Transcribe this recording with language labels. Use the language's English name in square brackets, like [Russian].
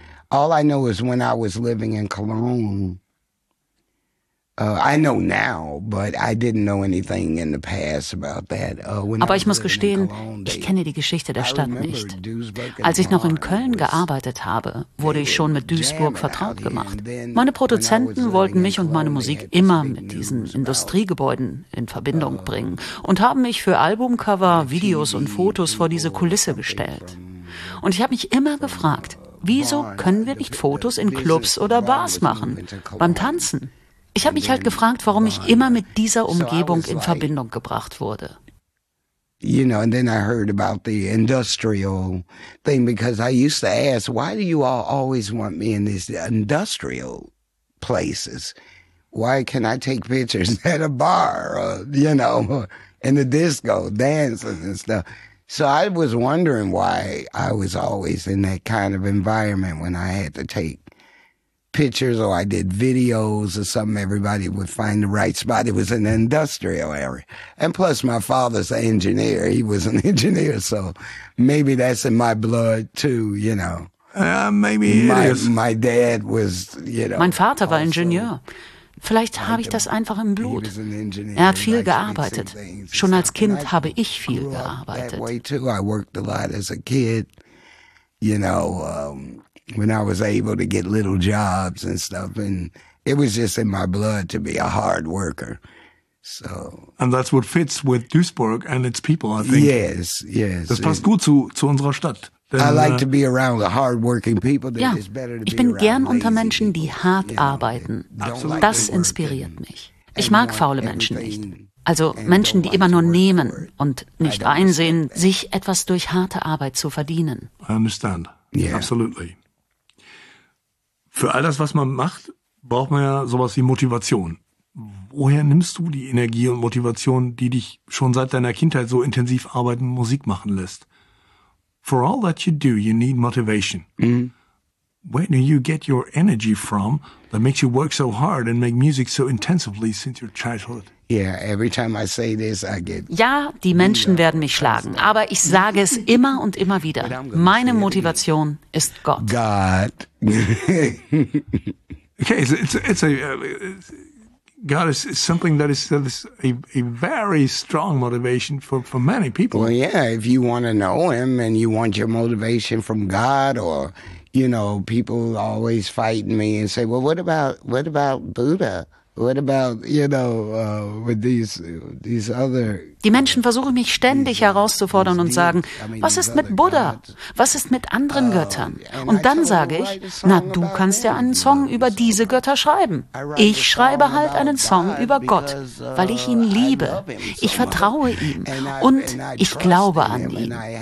[English] All I know is when I was living in Cologne, I know now, but I didn't know anything in the past about that. [German] Aber ich muss gestehen, ich kenne die Geschichte der Stadt nicht. Als ich noch in Köln gearbeitet habe, wurde ich schon mit Duisburg vertraut gemacht. Meine Produzenten wollten mich und meine Musik immer mit diesen Industriegebäuden in Verbindung bringen und haben mich für Albumcover, Videos und Fotos vor diese Kulisse gestellt. Und ich habe mich immer gefragt, wieso können wir nicht Fotos in Clubs oder Bars machen, beim Tanzen? Ich habe mich halt gefragt, warum ich immer mit dieser Umgebung in Verbindung gebracht wurde. [English] You know, and then I heard about the industrial thing because I used to ask, why do you all always want me in these industrial places? Why can I take pictures at a bar, you know, in the disco, dances and stuff? So I was wondering why I was always in that kind of environment when I had to take pictures or I did videos or something, everybody would find the right spot. It was an industrial area. And plus, my father's an engineer. He was an engineer, so maybe that's in my blood, too, you know. Maybe my, it is. My dad was, you know. [German] Mein Vater war Ingenieur. Vielleicht habe ich das einfach im Blut. Er hat viel gearbeitet. Schon als Kind habe ich viel gearbeitet. [English] That way, too. I worked a lot as a kid, you know, when I was able to get little jobs and stuff, and it was just in my blood to be a hard worker. So. And that's what fits with Duisburg and its people, I think. Yes, yes. [German] Das passt gut zu unserer Stadt. [English] I like to be around the hardworking people. [German] Ja, ich bin gern unter Menschen, die hart arbeiten. Das inspiriert mich. Ich mag faule Menschen nicht. Also Menschen, die immer nur nehmen und nicht einsehen, sich etwas durch harte Arbeit zu verdienen. [English] I understand. Yeah. Absolutely. [German] Für all das, was man macht, braucht man ja sowas wie Motivation. Woher nimmst du die Energie und Motivation, die dich schon seit deiner Kindheit so intensiv arbeiten, Musik machen lässt? [English] For all that you do, you need motivation. Mm-hmm. Where do you get your energy from that makes you work so hard and make music so intensively since your childhood? Yeah, every time I say this, I get. [German] Ja, die Menschen werden mich schlagen, aber ich sage es immer und immer wieder. Meine Motivation ist Gott. [English] God. Okay, God is something that is a very strong motivation for many people. Well, yeah, if you want to know Him and you want your motivation from God, or you know, people always fight me and say, well, what about Buddha? What about, you know, with these other. [German] Die Menschen versuchen mich ständig herauszufordern und sagen, was ist mit Buddha? Was ist mit anderen Göttern? Und dann sage ich, na, du kannst ja einen Song über diese Götter schreiben. Ich schreibe halt einen Song über Gott, weil ich ihn liebe. Ich vertraue ihm und ich glaube an ihn.